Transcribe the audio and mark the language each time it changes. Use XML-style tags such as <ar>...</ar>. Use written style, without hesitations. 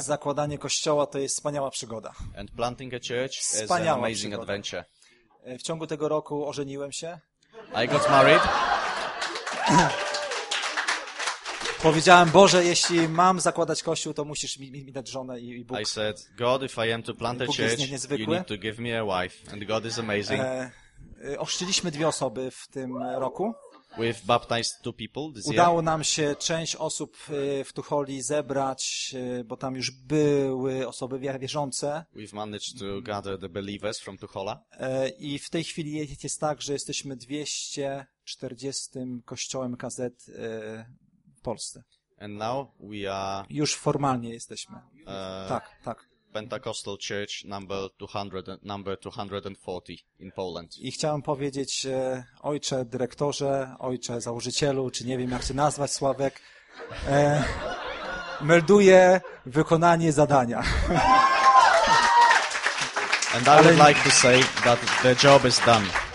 <pl>I zakładanie kościoła to jest wspaniała przygoda.</pl> <en>And planting a church is an amazing</en> <pl>przygoda.</pl> <en>Adventure.</en> <pl>W ciągu tego roku ożeniłem się.</pl> <en>I got married.</en> <pl>Powiedziałem, Boże, jeśli mam zakładać kościół, to musisz mi dać żonę i Bóg.</pl> <en>I said, God, if I am to plant a church, you need to give me a wife. And God is amazing.</en> <pl>Ochrzciliśmy dwie osoby w tym roku.</pl> <en>We've baptized two people this year.</en> <pl>Udało nam się część osób w Tucholi zebrać, bo tam już były osoby wierzące.</pl> <en>We've managed to gather the believers from Tuchola.</en> <pl>I w tej chwili jest tak, że jesteśmy 240. kościołem KZ Polsce.</pl> <en>And now we are</en> <pl>już formalnie jesteśmy. Tak, tak.</pl> <en>Pentecostal Church number 240 in Poland.</en> <pl>I chciałem powiedzieć ojcze dyrektorze, ojcze założycielu, czy nie wiem jak się nazwać, Sławek, melduję wykonanie zadania.</pl> <en>And I would like to say that the job is done.</en>